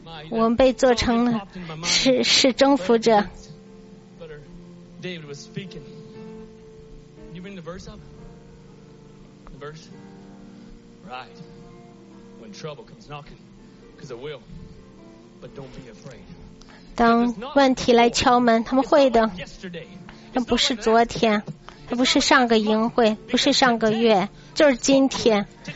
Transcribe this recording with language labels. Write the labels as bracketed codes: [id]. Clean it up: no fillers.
[zh] 我们被做成了是征服者。 [en] David was speaking. Can you bring the verse up? The verse? Right. When trouble comes knocking, because it will, but don't be afraid. [zh] 当问题来敲门，他们会的。那不是昨天，那不是上个营会，不是上个月，就是今天。